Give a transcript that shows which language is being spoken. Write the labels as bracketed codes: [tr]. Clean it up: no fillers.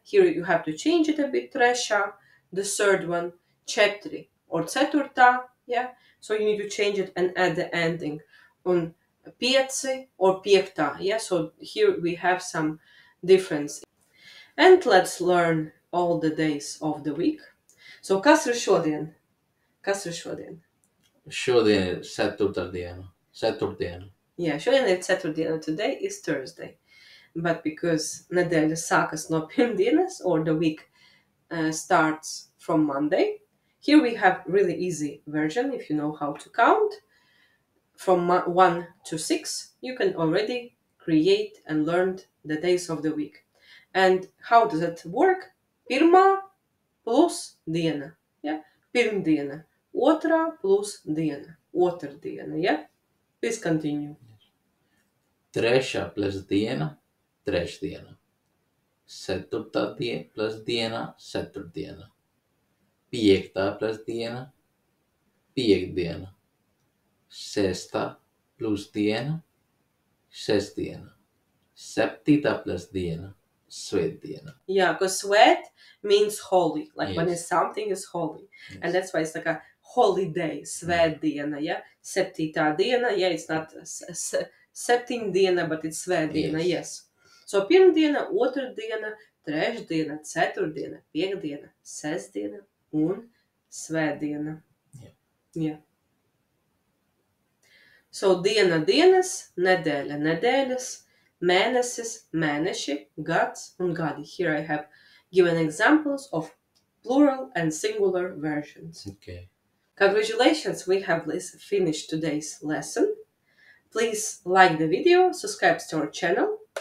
[en] Here you have to change it a bit, trešā, the third one, četri, or ceturtā, yeah? So you need to change it and add the ending. [lv] Un pieci, [en] or piektā, yeah? So here we have some difference. And let's learn all the days of the week. [lv] So kas ir šodien? Kas ir šodien? Šodien ir ceturtā diena. Ceturtdiena. [en] Yeah, [lv] šodien ir ceturtdiena. [en] Today is Thursday. But because [lv] nedēļa sākas no pirmdienas, [en] or the week starts from Monday, here we have really easy version, if you know how to count. From 1 to 6, you can already create and learn the days of the week. And how does it work? [lv] Pirmā plus diena, [en] yeah? Pirmdiena. [lv] Otrā plus diena. Otrdiena, yeah? [en] Please continue. [lv] Trešā plus diena. Trešdiena. Ceturtā plus diena, ceturtdiena. Piektā plus diena, piektdiena. Sestā plus diena, sestdiena. Septītā plus diena, svētdiena. [en] Yeah, because svēt means holy, like when something is holy. Yes. And that's why it's like a holiday, svētdiena, yeah? [lv] Septītā diena, [en] yeah, it's not septiņdiena, but it's svētdiena, yes. [lv] So, pirmdiena, otrdiena, trešdiena, ceturtdiena, piektdiena, sestdiena un svētdiena. [en] Yeah. Yeah. [lv] So, diena dienas, nedēļa nedēļas, mēnesis mēneši, gads un gadi. [en] Here I have given examples of plural and singular versions. Okay. Congratulations, we have finished today's lesson. Please like the video, subscribe to our channel.